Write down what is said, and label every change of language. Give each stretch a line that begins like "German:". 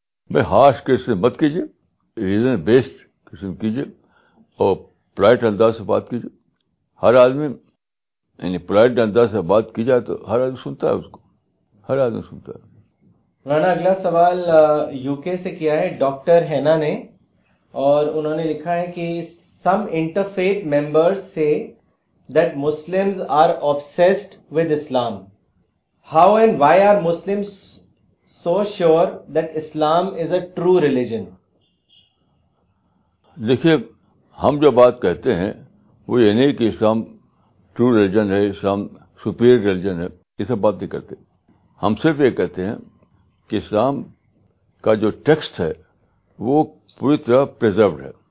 Urdu: میں harsh criticism مت کیجیے, ریزن بیسڈ کرٹیسزم کیجیے اور پولائٹ انداز سے بات کیجیے. ہر آدمی یعنی پولائٹ انداز سے بات کی جائے تو ہر آدمی سنتا ہے اس کو, ہر آدمی سنتا ہے. مولانا اگلا سوال یو کے سے کیا ہے ڈاکٹر ہینا نے, اور انہوں نے لکھا ہے کہ
English: some interfaith members say that Muslims are obsessed with Islam. How and why are Muslims so sure that Islam is a true religion?
Urdu: دیکھیے ہم جو بات کہتے ہیں وہ یہ نہیں کہ اسلام ٹرو ریلیجن ہے, اسلام سپیریئر ریلیجن ہے, یہ سب بات نہیں کرتے. ہم صرف یہ کہتے ہیں کہ اسلام کا جو ٹیکسٹ ہے وہ پوری طرح پرزروڈ ہے.